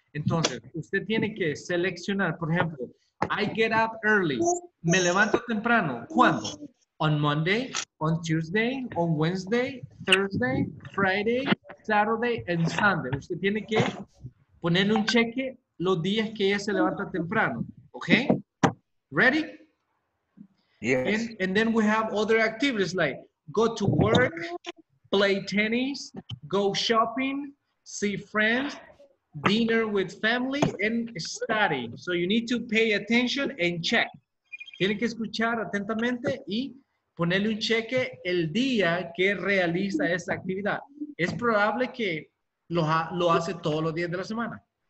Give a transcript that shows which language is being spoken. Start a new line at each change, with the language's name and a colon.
Spanish: Entonces, usted tiene que seleccionar, por ejemplo,
English: I get up early.
Spanish: Me levanto temprano. ¿Cuándo?
English: On Monday, on Tuesday, on Wednesday, Thursday, Friday, Saturday, and Sunday.
Spanish: Usted tiene que ponerle un cheque los días que ella se levanta temprano.
English: Okay? Ready? Yes. And then we have other activities like go to work, play tennis, go shopping, see friends, dinner with family, and study. So you need to pay attention and check.
Spanish: Tiene que escuchar atentamente y ponerle un cheque el día que realiza esa actividad. Es probable que lo hace todos los días de la semana.